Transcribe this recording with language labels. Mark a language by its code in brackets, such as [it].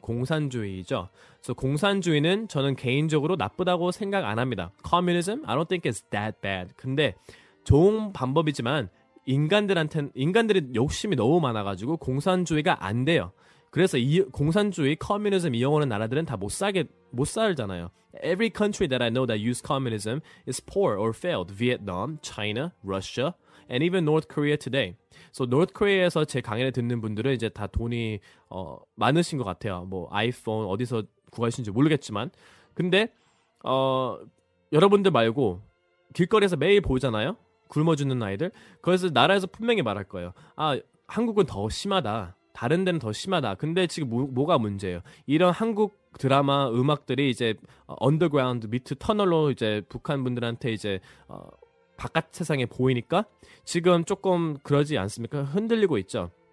[ko] 공산주의죠. So 공산주의는 저는 개인적으로 나쁘다고 생각 안 합니다. [en] Communism, I don't think it's that bad. [ko] 근데 좋은 방법이지만 인간들이 욕심이 너무 많아가지고 공산주의가 안 돼요. 그래서 이 공산주의, 커뮤니즘 이용하는 나라들은 다 못 살잖아요. [en] Every country that I know that use communism is poor or failed. Vietnam, China, Russia, and even North Korea today. [ko] So North Korea에서 제 강의를 듣는 분들은 이제 다 돈이 많으신 것 같아요. 뭐 아이폰 어디서 구하시는지 모르겠지만. 근데 여러분들 말고 길거리에서 매일 보잖아요. 굶어죽는 아이들. 그래서 나라에서 분명히 말할 거예요. 아, 한국은 더 심하다. 다른 데는 더 심하다. 근데 지금 뭐가 문제예요? 이런 한국 드라마 음악들이 이제 언더그라운드 미트 터널로 이제 북한 분들한테 이제 바깥 세상에 보이니까 지금 조금 그러지 않습니까? 흔들리고 있죠.